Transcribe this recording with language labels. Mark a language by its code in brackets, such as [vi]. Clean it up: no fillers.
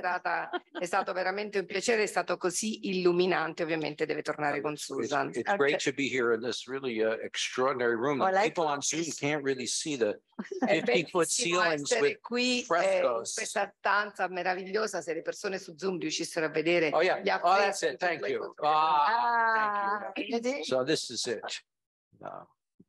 [it] È stato veramente un piacere, è stato così illuminante. Ovviamente deve tornare con Susan. [en] It's great to be here in this really extraordinary room. Well, like people on Zoom can't really see the 50-foot ceilings with [it] qui, [en] frescoes. [it] Questa stanza meravigliosa, se le persone su Zoom riuscissero a vedere. [en] Oh yeah, oh, that's it, thank you. Thank you. So this is it. No.